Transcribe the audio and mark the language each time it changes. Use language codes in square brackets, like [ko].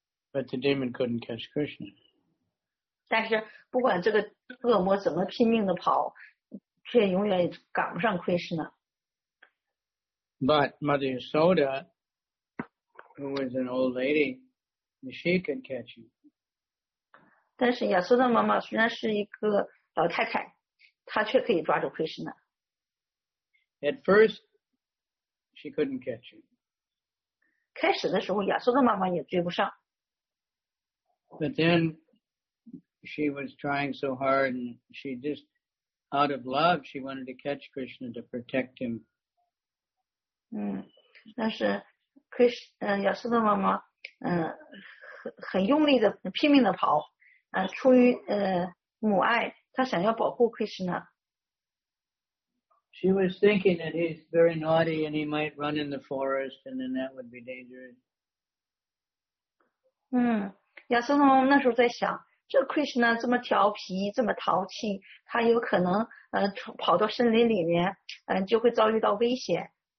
[en] But the demon couldn't catch Krishna. [zh] 但是不管这个恶魔怎么拼命地跑，却永远赶不上 Krishna. [en] But Mother Yasoda, who was an old lady, she could catch him. [zh] 但是亚苏的妈妈虽然是一个老太太，她却可以抓住奎师那。 [en] At first, she couldn't catch him. [zh] 开始的时候，亚苏的妈妈也追不上。 [en] But then, she was trying so hard, and she just, out of love, she wanted to catch Krishna to protect him. [zh] 但是亚苏的妈妈，很用力的拼命的跑。出于母爱，她想要保护 Krishna。 [en] She was thinking that he's very naughty and he might run in the forest and then that would be dangerous. [zh] 亚瑟妈妈那时候在想，这 Krishna 这么调皮，这么淘气，他有可能跑到森林里面，就会遭遇到危险。